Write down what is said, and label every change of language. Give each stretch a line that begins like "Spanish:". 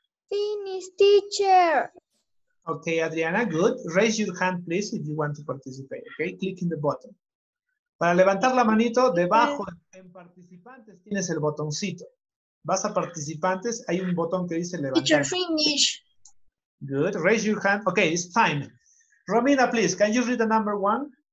English: Finish, teacher. Okay, Adriana, good. Raise your hand, please, if you want to participate, okay? Click in the button.
Spanish: Para levantar la manito, debajo en participantes tienes el botoncito. Vas a participantes, hay un botón que dice levantar.
English: Teacher, finish. Good, raise your hand. Okay, it's time. Romina, please, can you read the number one?